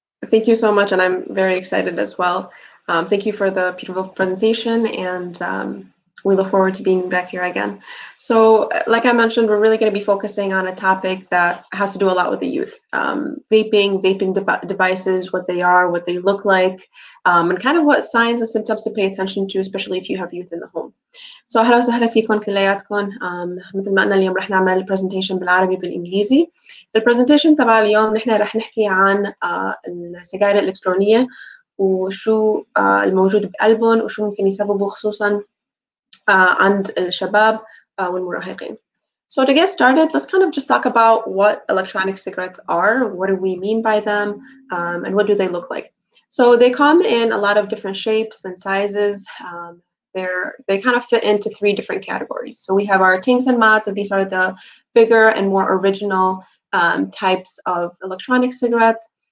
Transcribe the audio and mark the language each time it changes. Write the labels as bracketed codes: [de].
[en] Thank you so much, and I'm very excited as well. Thank you for the beautiful presentation, and we look forward to being back here again. So like I mentioned, we're really going to be focusing on a topic that has to do a lot with the youth. Vaping devices, what they are, what they look like, and kind of what signs and symptoms to pay attention to, especially if you have youth in the home. [ar] So أهلا وسهلا فيكم كلياتكم. مثل ما قلنا اليوم رح نعمل presentation بالعربي بالإنجليزي. [en] The presentation [ar] تبع اليوم نحن رح نحكي عن السجائر الإلكترونية وشو الموجود بقلبهم وشو ممكن يسببوا خصوصاً and الشباب والمراهقين. [en] So to get started, let's kind of just talk about what electronic cigarettes are, what do we mean by them, and what do they look like. So they come in a lot of different shapes and sizes. They kind of fit into three different categories. So we have our tinks and mods, and these are the bigger and more original types of electronic cigarettes.